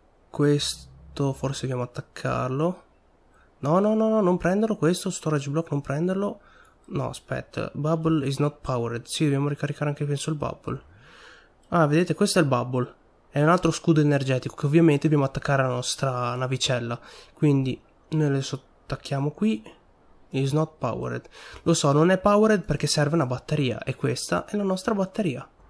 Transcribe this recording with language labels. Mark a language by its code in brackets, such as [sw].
[it] Questo forse dobbiamo attaccarlo. No, non prenderlo questo storage block, non prenderlo. No, aspetta, [en] bubble is not powered. [it] Sì, dobbiamo ricaricare anche penso il bubble. Ah, vedete, questo è il bubble. È un altro scudo energetico che ovviamente dobbiamo attaccare alla nostra navicella. Quindi noi adesso attacchiamo qui. [en] Is not powered. [it] Lo so, non è powered perché serve una batteria. E questa è la nostra batteria.